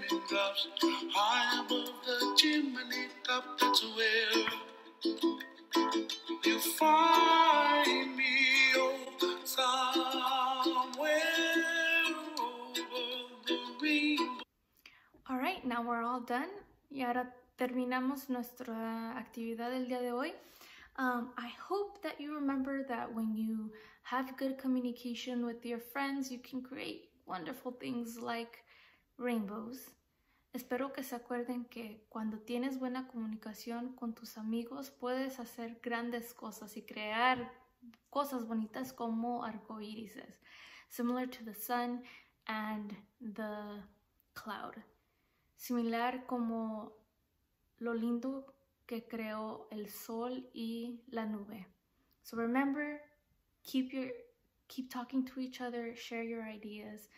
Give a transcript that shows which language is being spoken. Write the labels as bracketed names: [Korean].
[English] tops, high above the chimney top, that's where you find me, oh, somewhere over the rainbow. All right, now we're all done. [Spanish] Y ahora terminamos nuestra actividad del día de hoy. [English] I hope that you remember that when you have good communication with your friends, you can create wonderful things like rainbows. [Spanish] Espero que se acuerden que cuando tienes buena comunicación con tus amigos, puedes hacer grandes cosas y crear cosas bonitas como arcoíris, [English] similar to the sun and the cloud. [Spanish] Similar como lo lindo que creó el sol y la nube. [English] So remember, keep talking to each other, share your ideas.